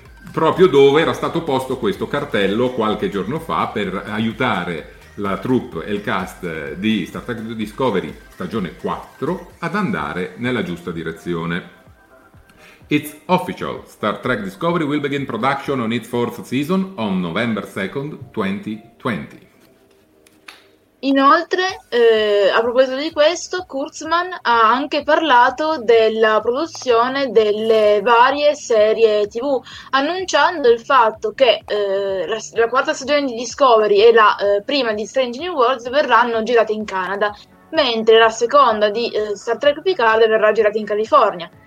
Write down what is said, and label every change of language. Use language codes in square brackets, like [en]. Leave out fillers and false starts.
[it] Proprio dove era stato posto questo cartello qualche giorno fa per aiutare la troupe e il cast di Star Trek Discovery stagione 4 ad andare nella giusta direzione. [en] It's official. Star Trek Discovery will begin production on its fourth season on November 2nd, 2020. [it] Inoltre, a proposito di questo, Kurtzman ha anche parlato della produzione delle varie serie TV, annunciando il fatto che la quarta stagione di Discovery e la prima di Strange New Worlds verranno girate in Canada, mentre la seconda di Star Trek Picard verrà girata in California.